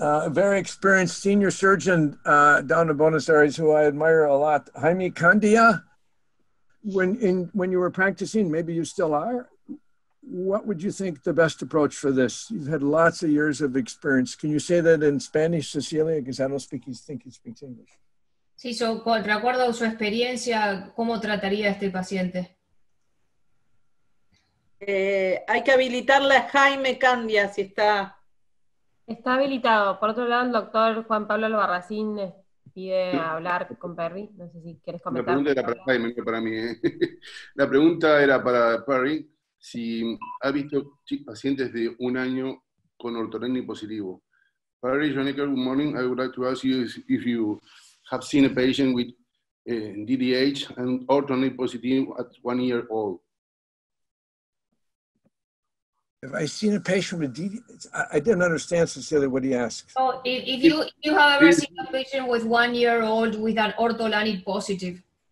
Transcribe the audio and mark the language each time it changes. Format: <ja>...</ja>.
<en>Very experienced senior surgeon down in Buenos Aires, who I admire a lot, Jaime Candia. When you were practicing, maybe you still are, what would you think the best approach for this? You've had lots of years of experience. Can you say that in Spanish, Cecilia? Because I don't speak, you think he speaks English.</en> <es>Sí, so, de acuerdo a su experiencia, ¿cómo trataría este paciente? Hay que habilitarle a Jaime Candia si está... Está habilitado. Por otro lado, el doctor Juan Pablo Albarracín pide hablar con Perry. No sé si quieres comentar. La pregunta era para Jaime, no para mí. La pregunta era para Perry. Si ha visto pacientes de un año con ortorrenia positivo.</es> <en>Perry Schoenecker, good morning. I would like to ask you if you have seen a patient with DDH and ortorrenia positive at 1 year old. Have I seen a patient with DDH? I didn't understand, Cecilia, what he asked. Oh, if you have ever seen a patient with 1 year old with an ortholanid positive.</en>